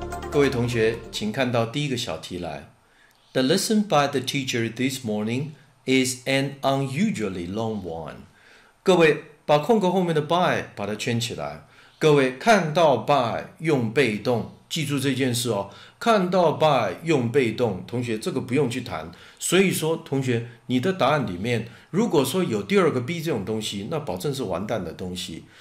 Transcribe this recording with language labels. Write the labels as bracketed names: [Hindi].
[Chinese] 各位同学，请看到第一个小题来。 [English] The lesson by the teacher this morning is an unusually long one. [Chinese] 各位，把空格后面的 by 把它圈起来。各位，看到 by 用被动，记住这件事哦。看到 by 用被动，同学，这个不用去谈。所以说，同学，你的答案里面，如果说有第二个 be 这种东西，那保证是完蛋的东西。